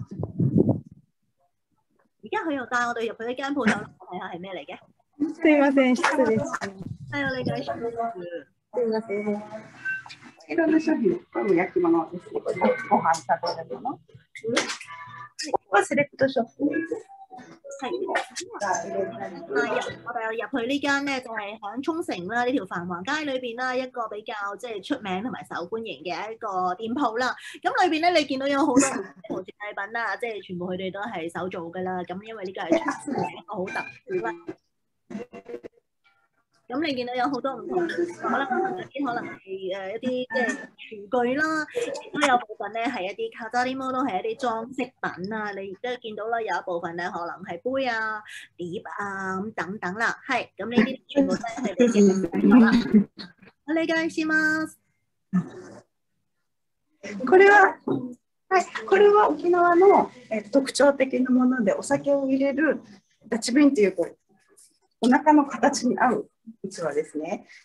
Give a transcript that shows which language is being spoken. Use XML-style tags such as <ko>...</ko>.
<yue>而家佢又帶我哋入去一間鋪頭，睇下係咩嚟嘅。</yue> <ja>すいません、失礼します。はい、お願いします。すいません。いろんな商品、多分焼き物です。ご飯食べるもの。ここはセレクトショップ。はい。</ja> <yue>我哋入去呢间咧，就系喺冲绳啦呢条繁华街里边啦，一个比较即系出名同埋受欢迎嘅一个店铺啦。咁里边咧，你见到有好多陶瓷礼品啦，即系全部佢哋都系手做噶啦。咁因为呢个系冲绳一个好特色啦。咁你見到有好多唔同，可能係一啲即係廚具啦，亦都有部分咧係一啲卡扎啲摩都係一啲裝飾品啊。你亦都見到啦，有一部分咧可能係杯啊、碟啊咁等等啦。係，咁呢啲全部都係你嘅好啦。お願いします。</yue> <ja>これは、はい、これは沖縄の特徴的なもので、お酒を入れるダチ瓶っていうこうお腹の形に合う器ですね。</ja>